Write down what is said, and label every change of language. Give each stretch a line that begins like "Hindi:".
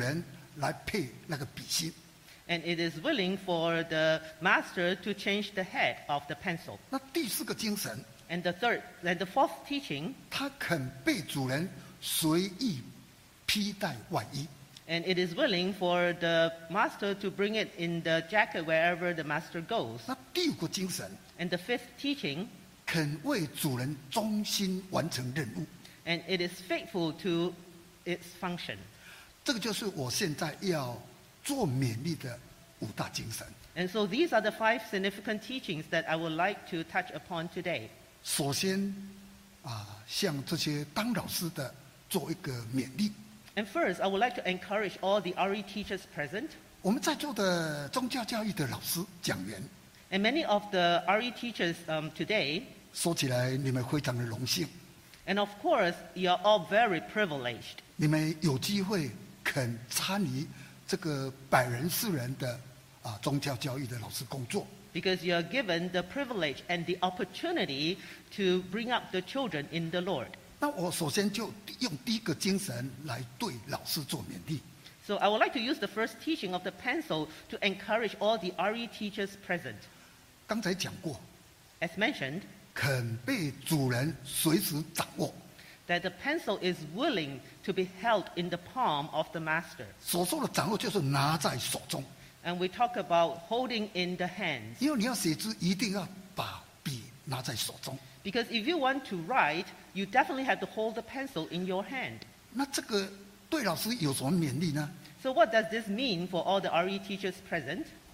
Chinese: 它肯任意主人来配那个笔芯。
English: And it is willing for the master to change the head of the pencil.
Chinese: 那第四个精神,
English: And the third, and the fourth teaching,
Chinese: 它肯被主人随意披戴外衣。
English: And it is willing for the master to bring it in the jacket wherever the master goes.
Chinese: 那第五个精神,
English: And the fifth teaching,
Chinese: 肯为主人忠心完成任务。
English: And it is faithful to its function.
Chinese: 这个就是我现在要做勉励的五大精神。
English: And so these are the five significant teachings that I would like to touch upon today.
Chinese: 首先，向这些当老师的做一个勉励。
English: And first, I would like to encourage all the RE teachers present.
Chinese: 我们在座的宗教教育的老师、讲员。
English: And many of the RE teachers today.
Chinese: 说起来你们非常的荣幸。
English: And of course, you are all very privileged.
Chinese: 你们有机会肯参与这个百人四人的宗教教育的老师工作。
English: Because you are given the privilege and the opportunity to bring up the children in the Lord.
Chinese: 那我首先就用第一个精神来对老师做勉励。
English: So I would like to use the first teaching of the pencil to encourage all the RE teachers present.
Chinese: 刚才讲过,
English: As mentioned,
Chinese: 肯被主人随时掌握,
English: that the pencil is willing to be held in the palm of the master.
Chinese: 所说的掌握就是拿在手中,
English: and we talk about holding in the hands.
Chinese: 因为你要写字一定要把笔拿在手中,
English: because if you want to write, you definitely have to hold the pencil in your hand.
Chinese: 那这个 对老师有什么勉励呢?
English: So what does this mean for all the RE teachers present?